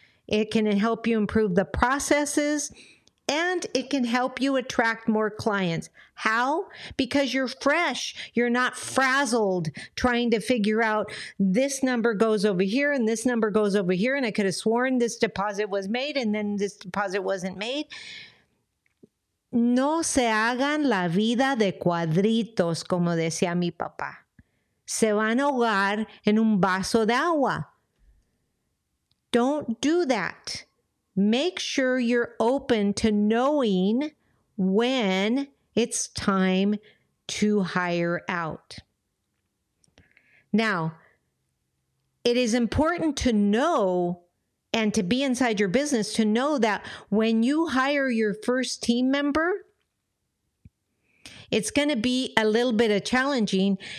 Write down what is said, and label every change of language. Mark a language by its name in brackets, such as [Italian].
[English] It can help you improve the processes, and it can help you attract more clients. How? Because you're fresh. You're not frazzled trying to figure out this number goes over here and this number goes over here, and I could have sworn this deposit was made and then this deposit wasn't made. [Spanish] No se hagan la vida de cuadritos, como decía mi papá. Se van a ahogar en un vaso de agua. [English] Don't do that. Make sure you're open to knowing when it's time to hire out. Now, it is important to know and to be inside your business to know that when you hire your first team member, it's going to be a little bit of challenging.